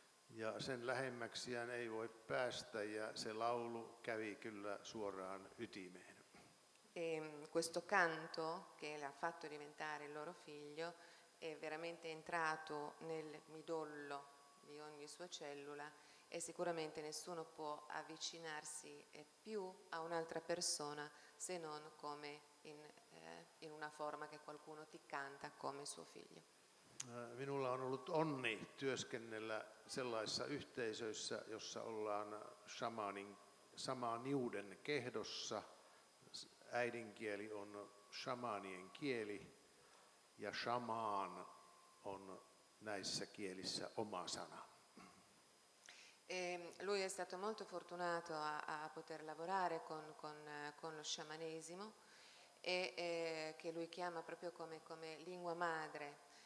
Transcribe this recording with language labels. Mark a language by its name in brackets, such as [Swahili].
[Finnish] Ja sen lähemmäksiään ei voi päästä, ja se laulu kävi kyllä suoraan ytimeen. [Italian] E questo canto che l'ha fatto diventare il loro figlio è veramente entrato nel midollo di ogni sua cellula, e sicuramente nessuno può avvicinarsi più a un'altra persona se non come in una forma che qualcuno ti canta come suo figlio. [Finnish] Minulla on ollut onni työskennellä sellaisissa yhteisöissä, jossa ollaan shamaaniuden kehdossa. Äidinkieli on shamaanien kieli, ja shamaan on näissä kielissä oma sana. [Italian] E lui è stato molto fortunato a poter lavorare con lo sciamanesimo, che lui chiama proprio come lingua madre.